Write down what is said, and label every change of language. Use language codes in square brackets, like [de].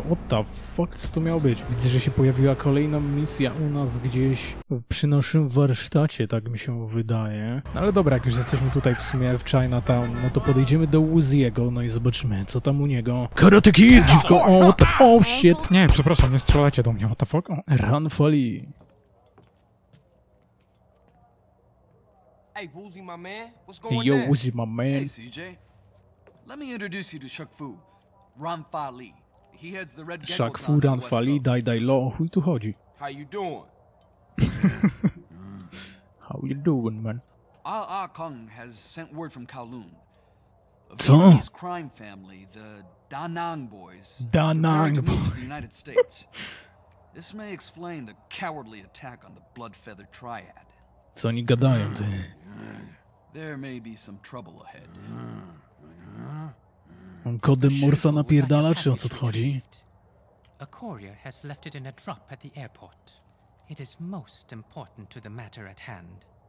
[en] What the fuck, [pl] co to miało być? Widzę, że się pojawiła kolejna misja u nas gdzieś przy naszym warsztacie, tak mi się wydaje. Ale dobra, jak już jesteśmy tutaj w sumie w Chinatown, no to podejdziemy do Uziego, no i zobaczymy, co tam u niego. Karate Kid, dziwko! O, [en] oh, shit! [pl] Nie, przepraszam, nie strzelajcie do mnie. [en] What the fuck? Run for Lee. Hey, Woozy, my man. What's going on? Hey, yo, Woozy, my man. Hey, CJ. Let me introduce you to Shuk Fu. Ram Fa Li. He heads the Red [pl] Gecko Shaq Fu Ram Fa Li Dai Dai Lo. O chuj tu chodzi? [en] How you doing? How you doing, man? Al A Kong has sent word from Kowloon. [pl] A co? [en] Vietnamese crime family, the Da Nang Boys. Da Nang Boys. The United States. This may explain the cowardly attack on the Bloodfeather Triad. [pl] Co oni gadają, ty? [en] There may be some trouble ahead. [pl] On kodem Morsa napierdala, czy o co chodzi? [en] A courier has left it in a drop at the airport. It is most important to the matter at hand.